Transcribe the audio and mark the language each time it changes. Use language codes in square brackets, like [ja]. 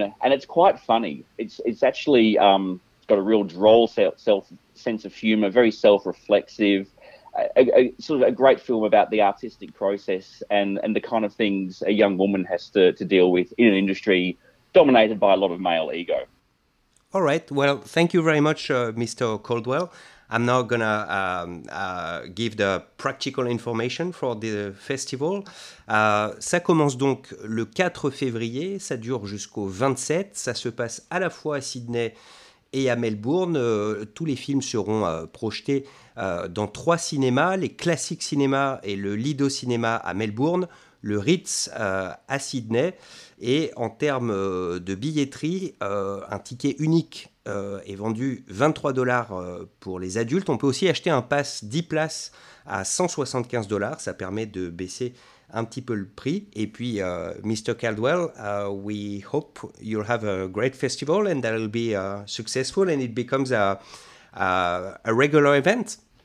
[en] And it's quite funny. It's actually got a real droll sense of humour, very self-reflexive, a sort of a great film about the artistic process and the kind of things a young woman has to deal with in an industry dominated by a lot of male ego. All right. Well, thank you very much, Mr. Caldwell. I'm now going to give the practical information for the festival. [fr] Ça commence donc le 4 février, ça dure jusqu'au 27, ça se passe à la fois à Sydney et à Melbourne. Tous les films seront projetés dans trois cinémas, les Classic Cinema et le Lido Cinema à Melbourne, le Ritz à Sydney. Et en termes de billetterie, un ticket unique est vendu $23 pour les adultes. On peut aussi acheter un pass 10 places à $175. Ça permet de baisser un petit peu le prix. Et puis, Mr. [en] Caldwell, we hope you'll have a great festival and that'll be successful and it becomes a regular event.